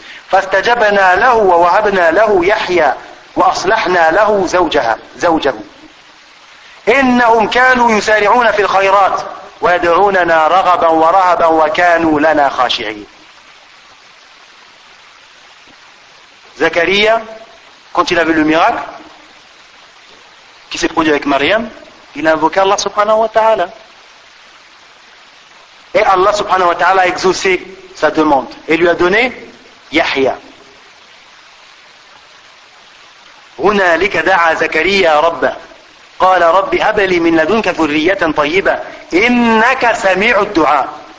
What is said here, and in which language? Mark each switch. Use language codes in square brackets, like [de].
[ar] فاستجبنا له ووهبنا له يحيى وأصلحنا له زوجه إنهم كانوا يسارعون في الخيرات ويدعوننا رغبا ورهبا وكانوا لنا خاشعين. [fr] زكريا quand il a vu le miracle qui s'est produit avec Maryam, il a invoqué Allah subhanahu wa ta'ala et Allah subhanahu wa ta'ala a exaucé sa demande et lui a donné يحيى. [ar] هنالك دعا زكريا ربه قال رب هب لي من لدنك ذرية طيبة إنك سميع الدعاء.